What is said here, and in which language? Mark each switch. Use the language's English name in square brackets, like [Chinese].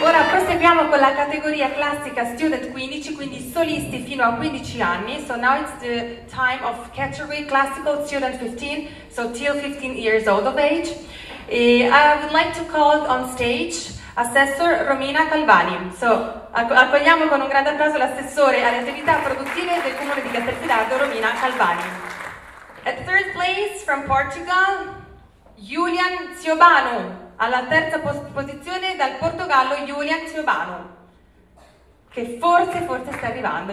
[Italian] proseguiamo con la categoria classica Student 15, quindi solisti fino a 15 anni. [English] So now it's the time of category Classical Student 15, so till 15 years old of age. I would like to call on stage Assessor Romina Calvani. [Italian] So accogliamo con un grande applauso l'assessore alle attività produttive del Comune di Castelfidardo, Romina Calvani. [English] At third place from Portugal, Julian Ciobanu. [Italian] Alla terza posizione dal Portogallo, Julian Ciobanu, che forse sta arrivando.